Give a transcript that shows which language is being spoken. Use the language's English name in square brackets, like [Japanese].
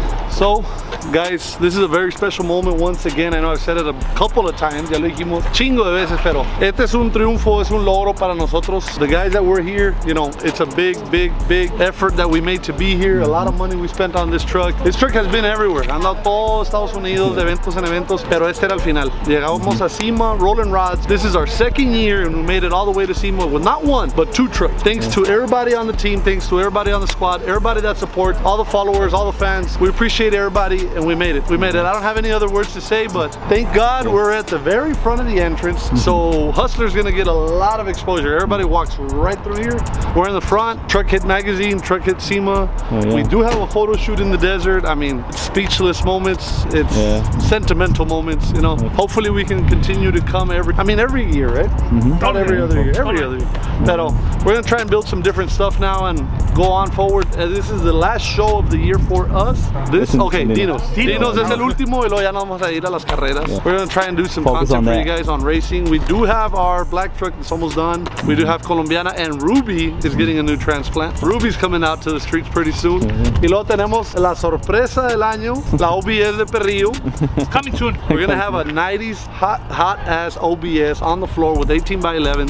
[English] So, guys, this is a very special moment once again. I know I've said it a couple of times. [Spanish] Ya lo dijimos chingo de veces, pero este es un triunfo, es un logro para nosotros. [English] The guys that were here, you know, it's a big, big, big effort that we made to be here. A lot of money we spent on this truck. This truck has been everywhere. [Spanish] Ando todo Estados Unidos, eventos en eventos, pero este era el final. Llegamos a Sema, [English] rolling rods. This is our second year, and we made it all the way to Sema with not one, but two trucks. Thanks to everybody on the team, thanks to everybody on the squad, everybody that supports, all the followers, all the fans. We appreciate everybody. And we made it. We made it. I don't have any other words to say, but thank God we're at the very front of the entrance. So Hustler's gonna get a lot of exposure. Everybody walks right through here. We're in the front. Truck hit magazine, truck hit Sema. Oh, yeah. We do have a photo shoot in the desert. I mean, speechless moments. It's sentimental moments, you know. Yeah. Hopefully we can continue to come every year, right? Mm-hmm. Not every other year. Every other year. But we're gonna try and build some different stuff now and go on forward. This is the last show of the year for us. This, okay, Dinos. [Spanish] Dinos es el último y luego ya no vamos a ir a las carreras. [English] Yeah. We're gonna try and do some focus content for that. You guys on racing. We do have our black truck that's almost done. Mm-hmm. We do have Colombiana and Ruby is getting a new transplant. Ruby's coming out to the streets pretty soon. Mm-hmm. [Spanish] Y luego tenemos la sorpresa del año. La OBS de Perrillo. [English] Coming soon. We're gonna have a 90s hot ass OBS on the floor with 18x11.